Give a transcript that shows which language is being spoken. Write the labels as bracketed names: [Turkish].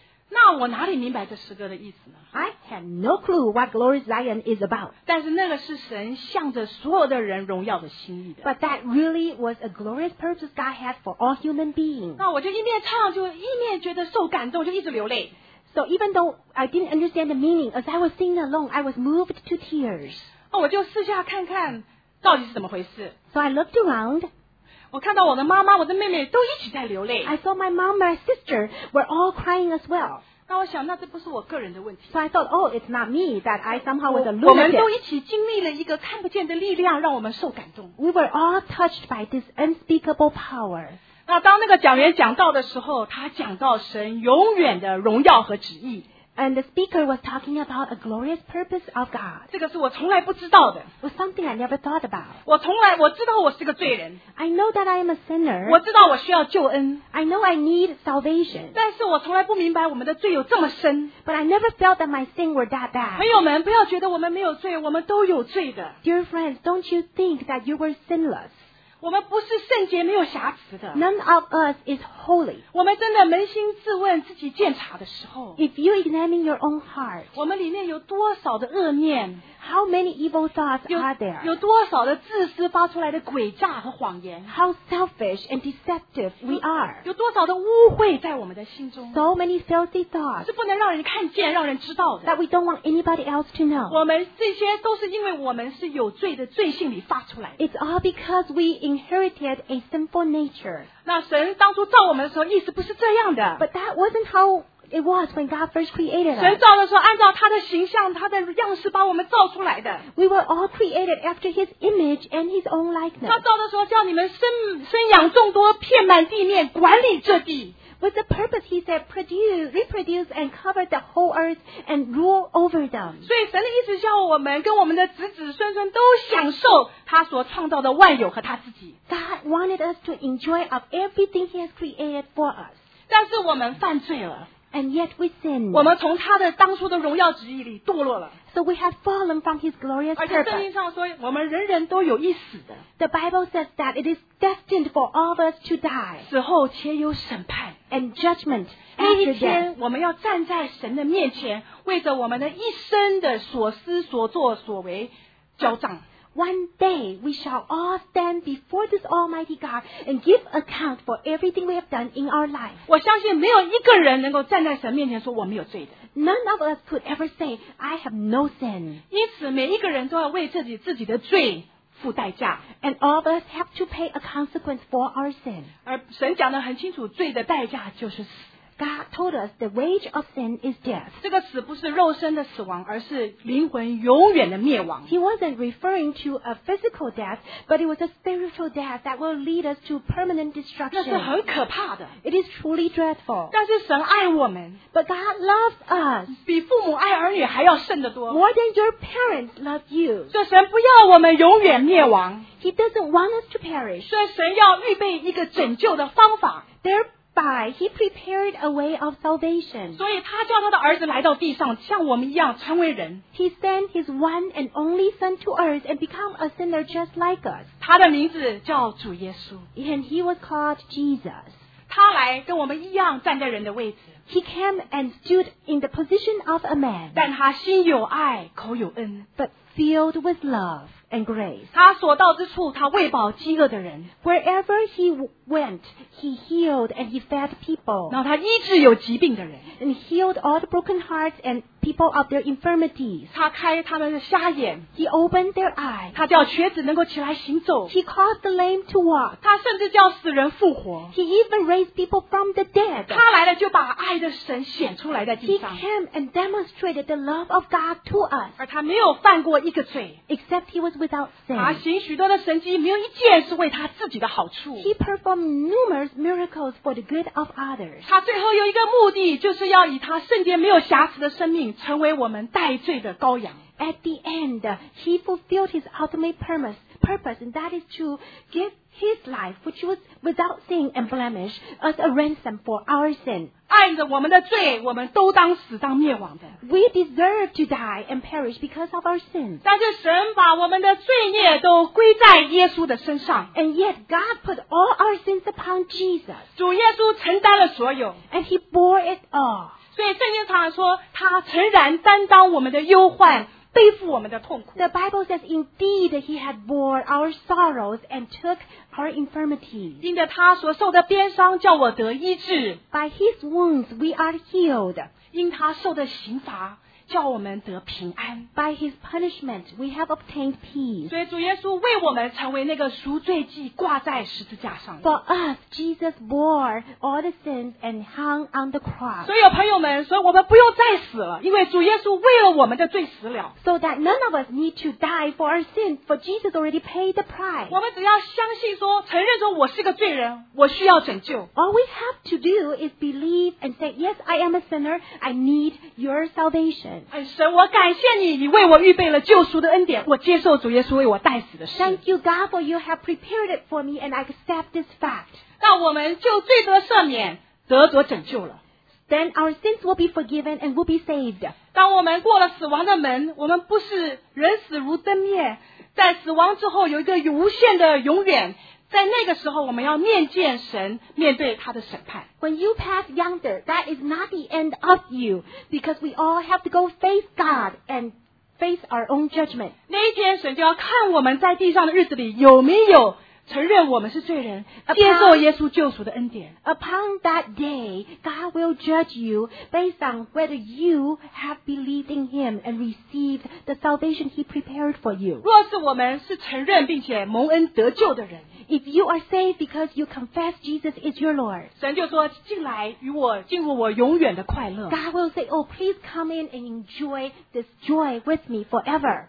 [Chinese] 那我哪里明白这诗歌的意思呢？ [English] I have no clue what glorious Zion is about. [Chinese] 但是那个是神向着所有的人荣耀的心意的。 [English] But that really was a glorious purpose God had for all human beings. [Chinese] 那我就一面唱，就一面觉得受感动，就一直流泪。 [English] So even though I didn't understand the meaning, as I was singing along, I was moved to tears. [Chinese] 哦，我就四下看看，到底是怎么回事。 [English] So I looked around. [Chinese] 我看到我的妈妈，我的妹妹都一起在流泪。 [English] I saw my mom, my sister were all crying as well. [Chinese] 那我想，那这不是我个人的问题。 [English] So I thought, oh, it's not me that I somehow was a lunatic. [Chinese] 我们都一起经历了一个看不见的力量，让我们受感动。 [English] We were all touched by this unspeakable power. [Chinese] 那当那个讲员讲到的时候，他讲到神永远的荣耀和旨意。 [English] And the speaker was talking about a glorious purpose of God. [Chinese] 这个是我从来不知道的。 [English] Was something I never thought about. [Chinese] 我从来我知道我是个罪人。 [English] I know that I am a sinner. [Chinese] 我知道我需要救恩。 [English] I know I need salvation. [Chinese] 但是我从来不明白我们的罪有这么深。 [English] But I never felt that my sin were that bad. [Chinese] 朋友们，不要觉得我们没有罪，我们都有罪的。 [English] Dear friends, don't you think that you were sinless? [Chinese] 我们不是圣洁没有瑕疵的。 [English] None of us is holy. [Chinese] 我们真的扪心自问自己检查的时候。 [English] If you examine your own heart, [Chinese] 我们里面有多少的恶念？ [English] How many evil thoughts are there? [Chinese] 有多少的自私发出来的诡诈和谎言？ [English] How selfish and deceptive we are. [Chinese] 有多少的污秽在我们的心中？ [English] So many filthy thoughts. [Chinese] 是不能让人看见，让人知道的。 [English] That we don't want anybody else to know. [Chinese] 我们这些都是因为我们是有罪的罪性里发出来的。 [English] It's all because we inherited a sinful nature. [Chinese] 那神当初造我们的时候意思不是这样的。 [English] But that wasn't how it was when God first created us. [Chinese] 神造的时候按照他的形象他的样式把我们造出来的。 [English] We were all created after his image and his own likeness. [Chinese] 他造的时候叫你们 生养众多遍满地面管理这地。 [English] With the purpose, he said, produce, reproduce, and cover the whole earth and rule over them. [Chinese] 所以神的意思叫我们跟我们的子子孙孙都享受他所创造的万有和他自己。 [English] God wanted us to enjoy of everything he has created for us. [Chinese] 但是我们犯罪了。 [English] And yet we sinned. [Chinese] 我们从他的当初的荣耀旨意里堕落了。 [English] So we have fallen from his glorious purpose. [Chinese] 而且圣经上说我们人人都有一死的。 [English] The Bible says that it is destined for all of us to die. [Chinese] 死后且有审判。 [English] And judgment. [Chinese] 那一天我们要站在神的面前为着我们的一生的所思所作所为交账。 [English] One day we shall all stand before this Almighty God and give account for everything we have done in our life. [Chinese] 我相信没有一个人能够站在神面前说我没有罪的。 [English] None of us could ever say I have no sin. [Chinese] 因此每一个人都要为自己的罪付代价。 [English] And all of us have to pay a consequence for our sin. [Chinese] 而神讲得很清楚，罪的代价就是死。 [English] God told us the wage of sin is death. [Chinese] 这个死不是肉身的死亡，而是灵魂永远的灭亡。 [English] He wasn't referring to a physical death, but it was a spiritual death that will lead us to permanent destruction. [Chinese] 那是很可怕的。 [English] It is truly dreadful. [Chinese] 但是神爱我们。 [English] But God loves us. [Chinese] 比父母爱儿女还要甚得多。 [English] More than your parents love you. [Chinese] 所以神不要我们永远灭亡。 [English] He doesn't want us to perish. [Chinese] 所以神要预备一个拯救的方法。 [English] By he prepared a way of salvation. [Chinese] 所以他叫他的儿子来到地上，像我们一样成为人。 [English] He sent his one and only son to earth and become a sinner just like us. [Chinese] 他的名字叫主耶稣。 [English] And he was called Jesus. [Chinese] 他来跟我们一样站在人的位置。 [English] He came and stood in the position of a man. [Chinese] 但他心有爱，口有恩。 [English] But filled with love. And grace. [Chinese] 他所到之处，他喂饱饥饿的人。 [English] Wherever he went, he healed and he fed people. [Chinese] 然后他医治有疾病的人。 [English] And healed all the broken hearts and people of their infirmities. [Chinese] 他开他们的瞎眼。 [English] He opened their eyes. [Chinese] 他叫瘸子能够起来行走。 [English] He caused the lame to walk. [Chinese] 他甚至叫死人复活。 [English] He even raised people from the dead. [Chinese] 他来了就把爱的神显出来在地上。 [English] He came and demonstrated the love of God to us. [Chinese] 而他没有犯过一个罪。 [English] Except he was without sin. [Chinese] 他行许多的神迹，没有一件是为他自己的好处。 [English] He performed numerous miracles for the good of others. [Chinese] 他最后有一个目的，就是要以他圣洁没有瑕疵的生命，成为我们代罪的羔羊。 [English] At the end, he fulfilled his ultimate purpose, and that is to give his life, which was without sin and blemish, as a ransom for our sin. [Chinese] 按着我们的罪，我们都当死当灭亡的。 [English] We deserve to die and perish because of our sin. [Chinese] 但是神把我们的罪孽都归在耶稣的身上。 [English] And yet God put all our sins upon Jesus. [Chinese] 主耶稣承担了所有。 [English] And he bore it all. [Chinese] 所以圣经常说，他诚然担当我们的忧患。背负我们的痛苦。 [English] The Bible says, indeed, he had bore our sorrows and took our infirmities. [Chinese] 因着他所受的鞭伤，叫我得医治。 [English] By his wounds, we are healed. [Chinese] 因他受的刑罚叫我们得平安。 [English] By his punishment we have obtained peace. [Chinese] 所以主耶稣为我们成为那个赎罪祭挂在十字架上。 [English] For us Jesus bore all the sins and hung on the cross. [Chinese] 所以有朋友们说我们不用再死了，因为主耶稣为了我们的罪死了。 [English] So that none of us need to die for our sins, for Jesus already paid the price. [Chinese] 我们只要相信说，承认说我是个罪人，我需要拯救。 [English] All we have to do is believe and say yes I am a sinner, I need your salvation. [Chinese] 神我感谢你，你为我预备了救赎的恩典，我接受主耶稣为我代死的事。 [English] Thank you God for you have prepared it for me and I accept this fact. [Chinese] 那我们就罪得赦免，得着拯救了。 [English] Then our sins will be forgiven and will be saved. [Chinese] 当我们过了死亡的门，我们不是人死如灯灭，在死亡之后有一个无限的永远，在那个时候我们要面见神，面对他的审判。 [English] When you pass yonder, that is not the end of you, because we all have to go face God and face our own judgment. [Chinese] 那一天神就要看我们在地上的日子里有没有承认我们是罪人，接受耶稣救赎的恩典。 [English] Upon that day, God will judge you based on whether you have believed in him and received the salvation he prepared for you. [Chinese] 若是我们是承认并且蒙恩得救的人， [English] If you are saved because you confess Jesus is your Lord, [Chinese] 神就说进来与我进入我永远的快乐。 [English] God will say, oh, please come in and enjoy this joy with me forever.